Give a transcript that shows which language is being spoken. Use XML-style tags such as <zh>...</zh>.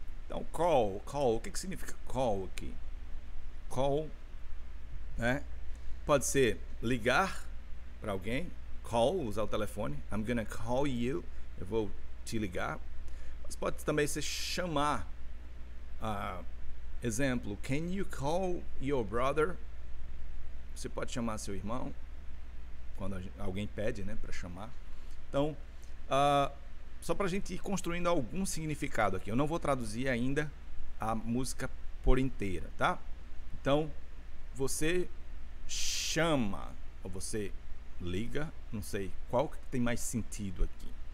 <pt>Então, call, o que que significa call aqui? Call, né? Pode ser ligar para alguém, call, usar o telefone,</pt> <en>I'm gonna call you,</en> <pt>eu vou te ligar. Mas pode também ser chamar. Exemplo,</pt> <en>can you call your brother?</en> <pt>Você pode chamar seu irmão, quando alguém pede, né, para chamar. Então, só para a gente ir construindo algum significado aqui, eu não vou traduzir ainda a música por inteira, tá? Então, você chama, ou você liga, não sei qual que tem mais sentido aqui.</pt>